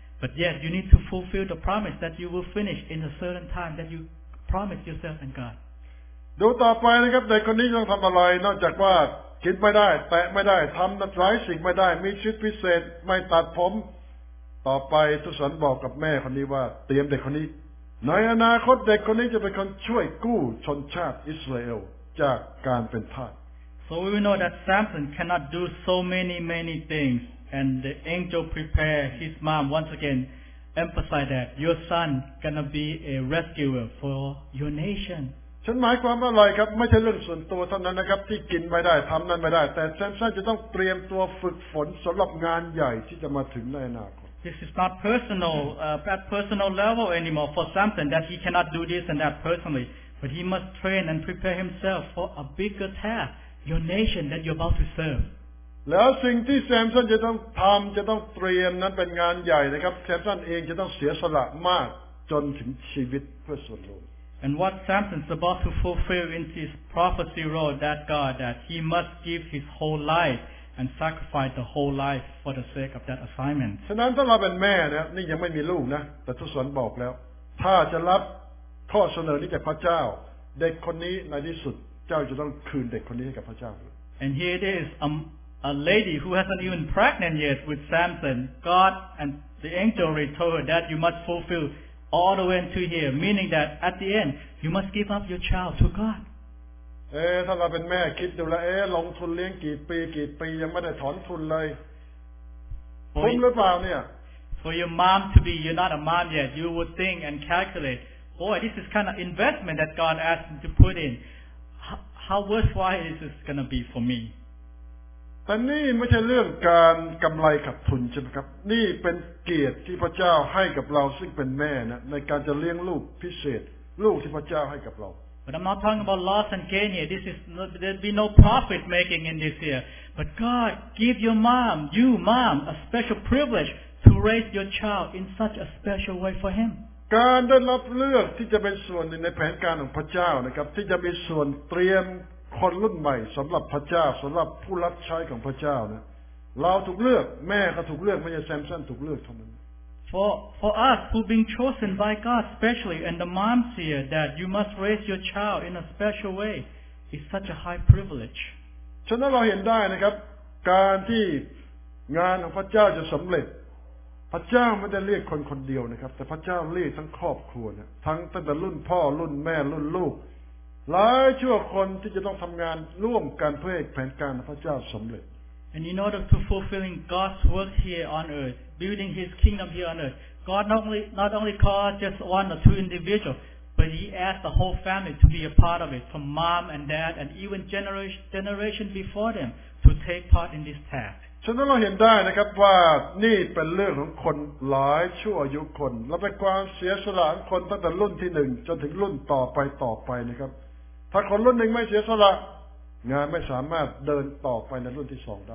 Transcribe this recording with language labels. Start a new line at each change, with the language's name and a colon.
English: But yes, you need to fulfill the promise that you will finish in a certain time that you promised yourself and God.
Thai: ดูต่อไปนะครับในคนนี้ต้องทำอะไรนอกจากว่าคิดไม่ได้แตะไม่ได้ทำหลายสิ่งไม่ได้มีชีวิตพิเศษไม่ตัดผมต่อไปทุสันบอกกับแม่คนนี้ว่าเตรียมเด็กคนนี้ในอนาคตเด็กคนนี้จะเป็นคนช่วยกู้ชนชาติอิสราเอลจากการเป็นทาส
English: So we know that Samson cannot do so many many things and the angel prepared his mom once again emphasize that your son gonna be a rescuer for your nation
Thai: ฉันหมายความว่าอะไรครับไม่ใช่เรื่องส่วนตัวเท่านั้นนะครับที่กินไม่ได้ทำนั่นไม่ได้แต่แซมสันจะต้องเตรียมตัวฝึกฝนสำหรับงานใหญ่ที่จะมาถึงในอนาคต
English: This is not personal, at personal level anymore for Samson that he cannot do this and that personally. But he must train and prepare himself for a bigger task, your nation that you're about to serve.
Thai: แล้วสิ่งที่แซมสันจะต้องทำจะต้องเตรียมนั้นเป็นงานใหญ่นะครับแซมสันเองจะต้องเสียสละมากจนถึงชีวิตเพื่อส่วนรวม
English: And what Samson's about to fulfill in his prophecy role that God that he must give his whole life. And sacrifice the whole life for the sake of that assignment.
Thai: ฉะนั้นถ้าเราเป็นแม่นะนี่ยังไม่มีลูกนะแต่ทศวรรษบอกแล้วถ้าจะรับข้อเสนอนี้จากพระเจ้าเด็กคนนี้ในที่สุดเจ้าจะต้องคืนเด็กคนนี้ให้กับพระเจ้า
English: And here it is a lady who hasn't even pregnant yet with Samson. God and the angel told her that you must fulfill all the way to here, meaning that at the end you must give up your child to God.
Thai: ถ้าเราเป็นแม่คิดดูแล้วลงทุนเลี้ยงกี่ปีกี่ปียังไม่ได้ถอนทุนเลยคุ้มหรือเปล่าเนี่ย
English: For your mom to be you're not a mom yet you would think and calculate boy this is kind of investment that God asked to put in how worthwhile is this gonna be for me
Thai: แต่นี่ไม่ใช่เรื่องการกำไรขาดทุนใช่ไหมครับนี่เป็นเกียรติที่พระเจ้าให้กับเราซึ่งเป็นแม่นะในการจะเลี้ยงลูกพิเศษลูกที่พระเจ้าให้กับเรา
English: But I'm not talking about loss and gain here. This is not, there'll be no profit making in this year. But God give your mom, you mom, a special privilege to raise your child in such a special way for Him.
Thai: การได้รับเลือกที่จะเป็นส่วนในแผนการของพระเจ้านะครับที่จะเป็นส่วนเตรียมคนรุ่นใหม่สำหรับพระเจ้าสำหรับผู้รับใช้ของพระเจ้านะเราถูกเลือกแม่ก็ถูกเลือกไม่ใช่แซมสันถูกเลือกเท่านั้น
English: For us who've been chosen by God specially and the moms here that you must raise your child in a special way is such a high privilege.
Thai: ฉะนั้นเราเห็นได้นะครับการที่งานของพระเจ้าจะสำเร็จพระเจ้าไม่ได้เรียกคนคนเดียวนะครับแต่พระเจ้าเรียกทั้งครอบครัวนะทั้งตั้งแต่รุ่นพ่อรุ่นแม่รุ่นลูกหลายชั่วคนที่จะต้องทำงานร่วมกันเพื่อแผนการของพระเจ้าสำเร็จ
English: And in order to fulfilling God's work here on earth, building His kingdom here on earth, God not only called just one or two individuals, but He asked the whole family to be a part of it, from mom and dad and even generation before them to take part in this task.
Thai: ฉะนั้นเราเห็นได้นะครับว่านี่เป็นเรื่องของคนหลายชั่วอายุคนและเป็นความเสียสละของคนตั้งแต่รุ่นที่หนึ่งจนถึงรุ่นต่อไปนะครับถ้าคนรุ่นหนึ่งไม่เสียสละงานไม่สามารถเดินต่อไปในรุ่นที่สองได